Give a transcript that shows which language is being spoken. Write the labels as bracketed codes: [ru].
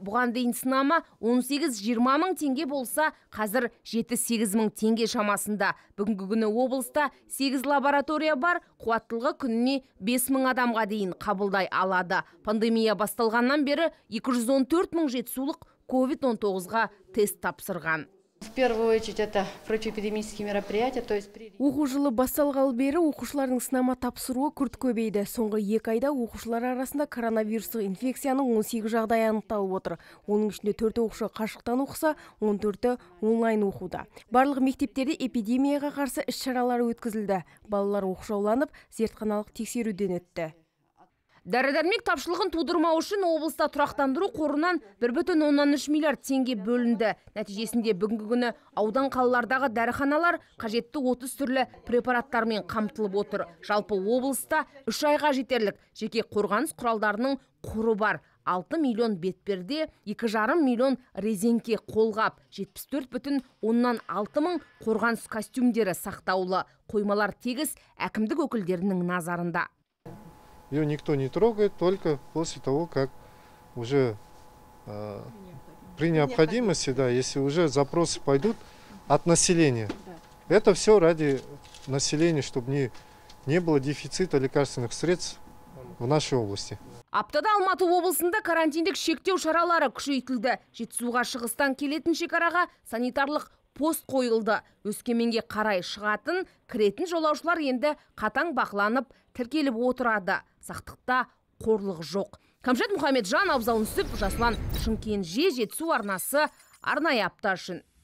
[kk] Бұған дейін сынама 18-20 мың тенге болса, қазір 7-8 мың тенге шамасында. Бүгінгі күні облыста 8 лаборатория бар, қуаттылығы күніне 5 мың адамға дейін қабылдай алады. Пандемия басталғаннан бері 214 мың жетісулық COVID-19-ға тест тапсырған. [ru] первую очередь это противоэпидемические мероприятия, то есть. [kk] Оқу жылы басталғалы бері оқушылардың сынама тапсыруы күрт көбейді. Соңғы екі айда оқушылар арасында коронавирустық инфекцияның 18 жағдайы анықталып отыр. Оның ішінде 4 оқушы қашықтан оқыса, 14-ті онлайн оқуда. Барлық мектептерде эпидемияға қарсы іс-шаралары өткізілді. Балалар оқшауланып, зертханалық тексеруден өтті. Дәрі-дәрмек тапшылығын тудырмау үшін облыста тұрақтандыру қорынан 1,3 миллиард теңге бөлінді. Нәтижесінде бүгінгі күні аудан қалалардағы дәріханалар қажетті 30 түрлі препараттармен қамтылып отыр. Жалпы облыста 3 айға жетерлік жеке қорғаныс құралдарының қоры бар. 6 миллион бетперде, 2,5 миллион резенке қолғап, 74,6 мың қорғаныс костюмдері сақтаулы. Қоймалар тегіс әкімдік өкілдерінің назарында. [ru] Ее никто не трогает, только после того, как уже при необходимости, да, если уже запросы пойдут от населения. Это все ради населения, чтобы не было дефицита лекарственных средств в нашей области. [kk] Аптада Алматы облысында карантиндік шектеу шаралары күшейтілді. Жетісуға шығыстан келетін шекараға санитарлық пост қойылды. Өскеменге қарай шығатын, кіретін жолаушылар енді қатаң бақыланып, тіркеліп отырады. Сақтықта қорлық жоқ. Камшат Мұхамеджан, Абзал Нүсіп, Жаслан Шымкен, Жетісу арнасы, арнайы апта үшін.